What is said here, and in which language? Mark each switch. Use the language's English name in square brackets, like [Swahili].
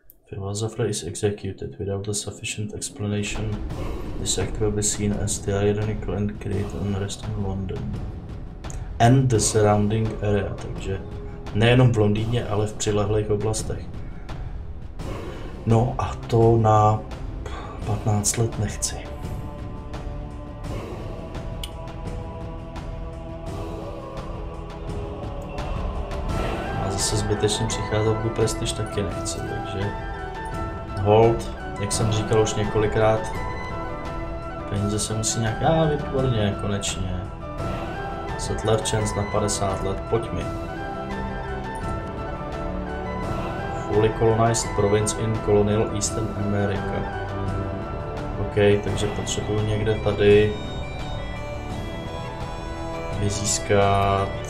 [English] Philosopher is executed. Without a sufficient explanation, this act will be seen as tyrannical and create unrest in London. And the surrounding area. [Czech] Takže nejenom v Londýně, ale v přilehlých oblastech. No a to na 15 let nechci. Se zbytečně přicházet do prestiž taky nechci, takže hold, jak jsem říkal už několikrát, peníze se musí nějak, výborně, konečně. [English] Settler chance [Czech] na 50 let, pojď mi. [English] Fully colonized province in colonial Eastern America. [Czech] OK, takže potřebuji někde tady vyzískat.